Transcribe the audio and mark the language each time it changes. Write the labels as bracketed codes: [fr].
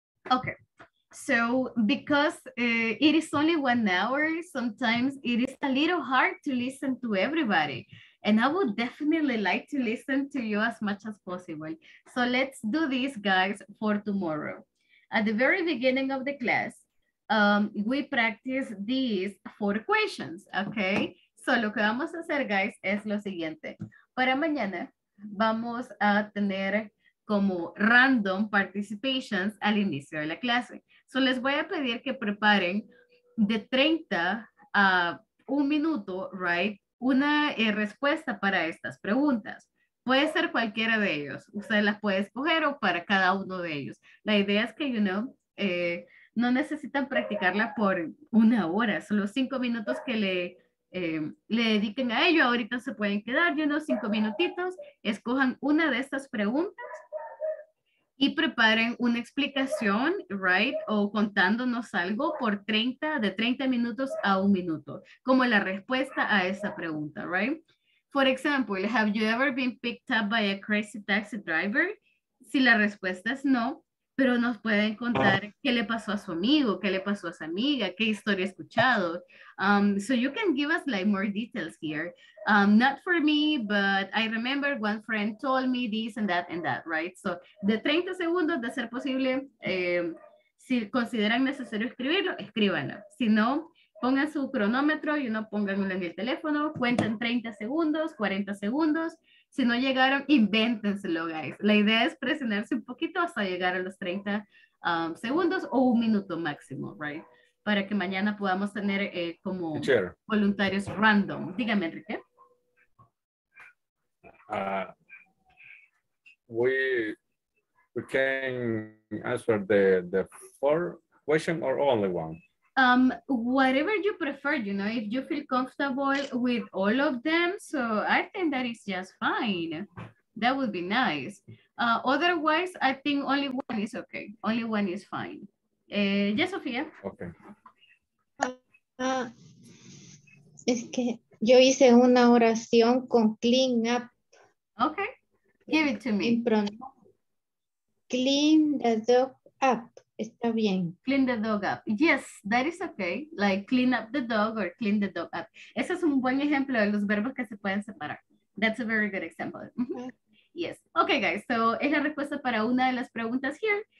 [en] Okay, so because it is only 1 hour, sometimes it is a little hard to listen to everybody. And I would definitely like to listen to you as much as possible. So let's do this, guys, for tomorrow. At the very beginning of the class, we practice these 4 questions, okay? [es] So lo que vamos a hacer, guys, es lo siguiente. Para mañana, vamos a tener como [en] random participations [es] al inicio de la clase. So les voy a pedir que preparen de 30 a 1 minuto, right? Una respuesta para estas preguntas. Puede ser cualquiera de ellos. Usted las puede escoger o para cada uno de ellos. La idea es que, [en] you know, [es] no necesitan practicarla por una hora. Solo 5 minutos que le dediquen a ello. Ahorita se pueden quedar, [en] you know, [es] 5 minutitos. Escojan una de estas preguntas y preparen una explicación, right? O contándonos algo por 30, de 30 minutos a 1 minuto, como la respuesta a esa pregunta, right? [en] For example, have you ever been picked up by a crazy taxi driver? [es] Si la respuesta es no, pero nos pueden contar qué le pasó a su amigo, qué le pasó a su amiga, qué historia ha escuchado. [en] So you can give us like more details here. Not for me, but I remember one friend told me this and that, right? [es] So the 30 segundos de ser posible, si consideran necesario escribirlo, escríbanlo. Si no, pongan su cronómetro, [en] you know, [es] pónganlo en el teléfono, cuenten 30 segundos, 40 segundos. Si no llegaron, invéntenselo, guys. La idea es presionarse un poquito hasta llegar a los 30 segundos o 1 minuto máximo, right? Para que mañana podamos tener como voluntarios random. Dígame, Enrique. [en] We can answer the 4 questions or only one? Whatever you prefer, you know, if you feel comfortable with all of them. So I think that is just fine. That would be nice. Otherwise, I think only one is okay. Only one is fine. Yes, Sofia. Okay. [es] Es que Yo hice una oración con clean up. [en] Okay, give it to me. Clean the dog up, [es] está bien. [en] Clean the dog up, yes, that is okay. Like clean up the dog or clean the dog up. [es] Ese es un buen ejemplo de los verbos que se pueden separar. [en] That's a very good example. Yes, okay guys, [es] so es la respuesta para una de las preguntas here.